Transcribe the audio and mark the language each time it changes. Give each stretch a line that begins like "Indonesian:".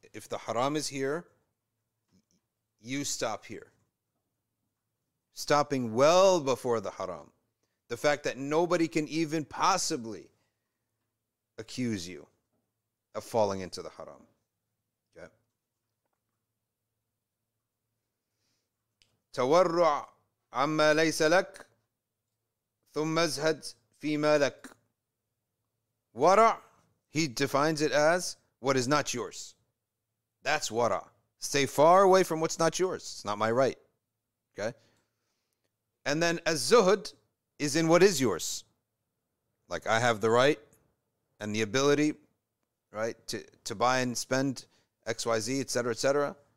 English: If the haram is here, you stop here. Stopping well before the haram. The fact that nobody can even possibly accuse you of falling into the haram.
Arabic: تورع عما ليس لك ثم ازهد فيما لك.
English: ورع, he defines it as what is not yours. That's ورع. Stay far away from what's not yours. It's not my right. Okay? And then الزهد is in what is yours. Like I have the right and the ability, right, to buy and spend XYZ, etc., etc.